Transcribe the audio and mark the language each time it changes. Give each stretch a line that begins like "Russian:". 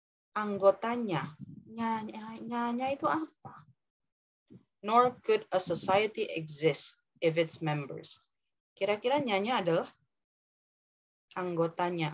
Indonesian: Anggotanya, nyanya itu apa?
English: Nor could a society exist if its members.
Indonesian: Kira-kira nyanya adalah anggotanya.